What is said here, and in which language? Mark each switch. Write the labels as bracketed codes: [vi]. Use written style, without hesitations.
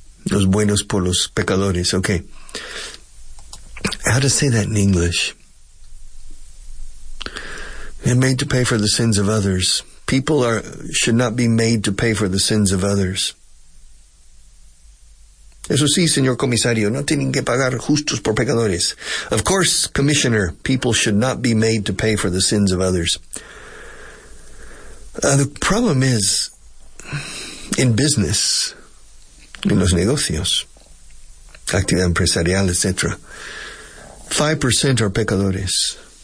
[es] Los buenos por los pecadores. [en] Okay. How to say that in English? They're made to pay for the sins of others. People should not be made to pay for the sins of others. [es] Eso sí, señor comisario, no tienen que pagar justos por pecadores. [en] Of course, commissioner, people should not be made to pay for the sins of others. The problem is, in business, in [es] los negocios, actividad empresarial, [en] etc., 5% are pecadores.